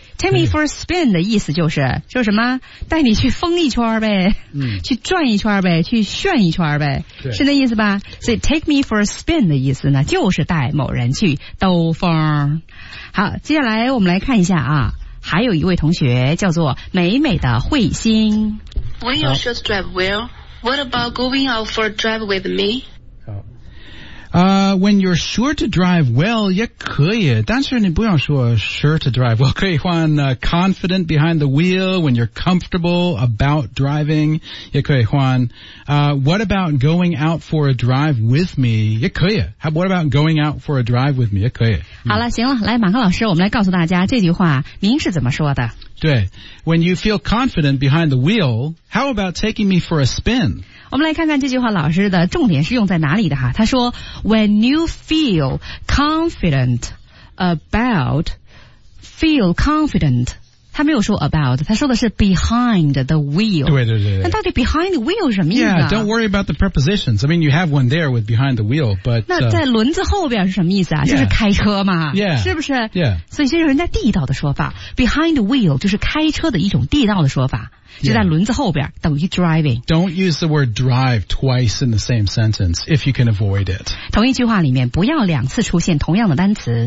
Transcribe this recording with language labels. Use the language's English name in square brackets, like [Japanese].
[English] Take me for a spin [Chinese] 的意思就是什么，带你去疯一圈呗，去转一圈呗，去炫一圈呗，是那意思吧？所以 [English] take me for a spin [Chinese] 的意思呢，就是带某人去兜风。好，接下来我们来看一下啊，还有一位同学叫做美美的慧心。 [English] When you should drive well, what about going out for a drive with me? When you're sure to drive well, [Chinese] 也可以，但是你不要说 [English] sure to drive well, [Chinese] 可以换 [English] confident behind the wheel, when you're comfortable about driving, [Chinese] 也可以换 [English] what about going out for a drive with me, [Chinese] 也可以 [English] what about going out for a drive with me, 也可以。 [Chinese] 好了，行了，来马克老师，我们来告诉大家这句话您是怎么说的。 [English] 对， when you feel confident behind the wheel, how about taking me for a spin? [Chinese] 我们来看看这句话老师的重点是用在哪里的哈。他说 [English] When you feel confident about, feel confident, [Chinese] 他没有说 [English] about, [Chinese] 他说的是 [English] behind the wheel. [Chinese] 对对对。那到底 [English] behind the wheel [Chinese] 是什么意思？ [English] Yeah, don't worry about the prepositions. I mean, you have one there with behind the wheel, but... [Chinese] 那在轮子后边是什么意思啊？就是开车嘛。 [English] Yeah. [Chinese] 是不是？ [English] Yeah. [Chinese] 所以这是人家地道的说法。 [English] Behind the wheel [Chinese] 就是开车的一种地道的说法。就在轮子后边，等于 driving。 [English] Don't use the word drive twice in the same sentence if you can avoid it。 [Chinese] 同一句话里面不要两次出现同样的单词，